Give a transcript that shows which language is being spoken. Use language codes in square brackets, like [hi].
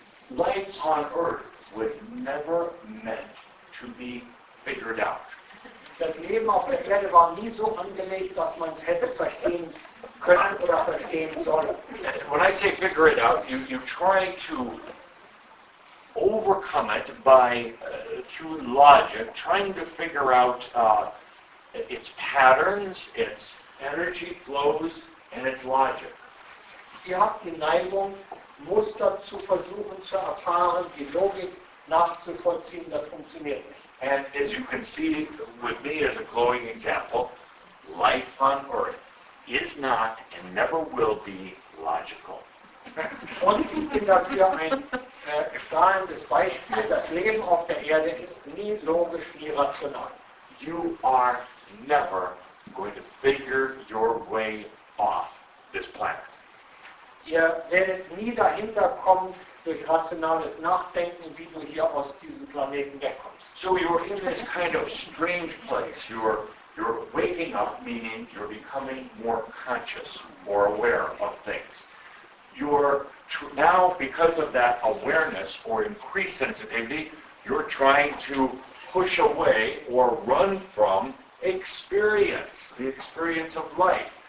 [en] Life on Earth was never meant to be figured out. [de] Das Leben auf der Erde war nie so angelegt, dass man es hätte verstehen können oder verstehen sollen. [en] When I say figure it out, you try to overcome it by, through logic, trying to figure out its patterns, its energy flows, and its logic. [de] Sie hat die Neigung, Muster zu versuchen zu erfahren, die Logik nachzuvollziehen, das funktioniert nicht. [en] And as you can see with me as a glowing example, life on Earth is not and never will be logical. [de] Und ich bin dafür ein strahlendes Beispiel, das Leben auf der Erde ist nie logisch, nie rational. [en] You are never going to figure your way off this planet. [de] Ihr werdet nie dahinter kommen durch rationales Nachdenken, wie du hier aus diesem Planeten wegkommst. [en] So you're in this kind of strange place. You're waking up, meaning you're becoming more conscious, more aware of things. You're now, because of that awareness or increased sensitivity, you're trying to push away or run from experience, the experience of life.